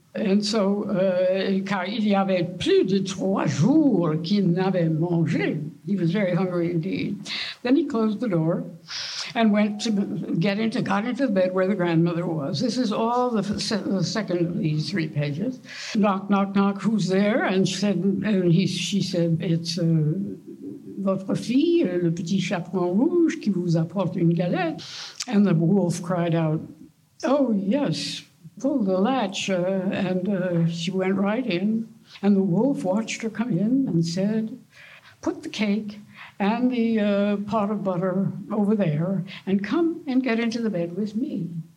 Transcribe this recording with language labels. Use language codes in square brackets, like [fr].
[en] And so, [fr] car il y avait plus de 3 jours qu'il n'avait mangé. [en] He was very hungry indeed. Then he closed the door and went to got into the bed where the grandmother was. This is all the second of these 3 pages. Knock, knock, knock, who's there? And she said, "It's [fr] votre fille, le petit chaperon rouge, qui vous apporte une galette." [en] And the wolf cried out, "Oh, yes, pull the latch." She went right in. And the wolf watched her come in and said, "Put the cake and the pot of butter over there and come and get into the bed with me."